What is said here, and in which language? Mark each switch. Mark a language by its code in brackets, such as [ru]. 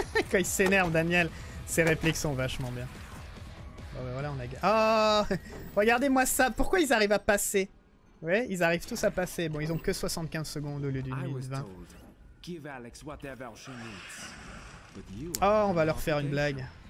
[fr] Quand il s'énerve, Daniel, ses répliques sont vachement bien. Bon ben voilà, on a gagné. Oh, regardez-moi ça. Pourquoi ils arrivent à passer? Ouais, ils arrivent tous à passer. Bon, ils ont que 75 secondes au lieu d'une minute 20. [en] Give Alex whatever she needs. But you are oh, [fr] on va leur faire une blague.